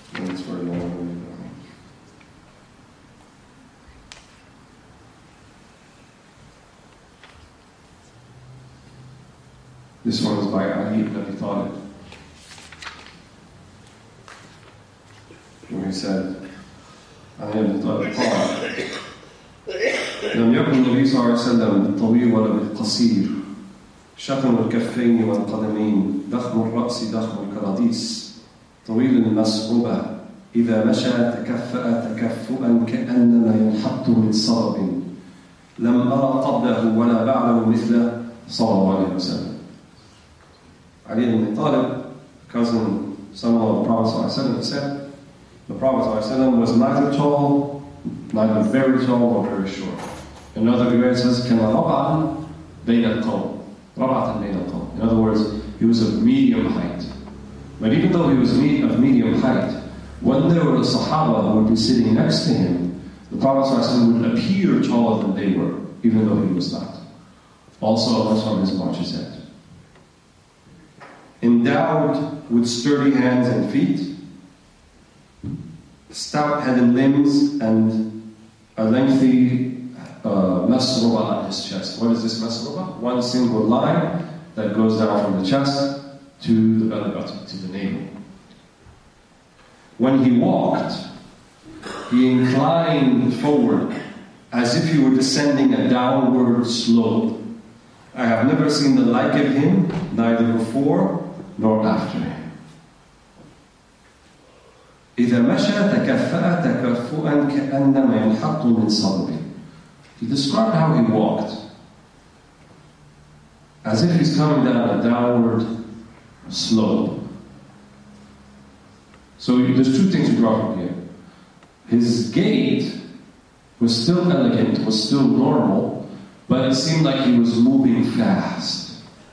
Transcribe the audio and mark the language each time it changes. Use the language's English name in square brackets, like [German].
[English] It's very long. This one is by Ali ibn Abi Talib. When he said, [Arabic] Ali ibn Abi Talib, لم يكن النبي صلى الله عليه وسلم بالطويل ولا بالقصير شخم الكفين والقدمين ضخم الرأس ضخم الكراديس طويل المسعوبة إذا مشى تكفأ تكفؤا كأنما ينحط من صلب لم أرى قبله ولا بعده مثله صلى الله عليه وسلم. [English] علي بن طالب, cousin son of the Prophet [Arabic] صلى الله عليه وسلم, [English] said the Prophet صلى الله عليه وسلم was neither tall, neither very tall or very short. Another narrator says, [Arabic] "كان ربعا بين القوم." ربعا بين القوم. [English] In other words, he was of medium height. But even though he was of medium height, when there were the Sahaba who would be sitting next to him, the Prophet would appear taller than they were, even though he was not. Also, that's from his marches head. Endowed with sturdy hands and feet, stout head and limbs, and a lengthy masruba on his chest. What is this masruba? One single line that goes down from the chest to the belly button, to the navel. When he walked, he inclined forward as if he were descending a downward slope. I have never seen the like of him, neither before nor after him. [Arabic] إذا مشى تكفأ تكفؤا كأنما ينحط من صلبه. [English] He described how he walked, as if he's coming down a downward slope. So there's two things we draw from here. His gait was still elegant, was still normal, but it seemed like he was moving fast.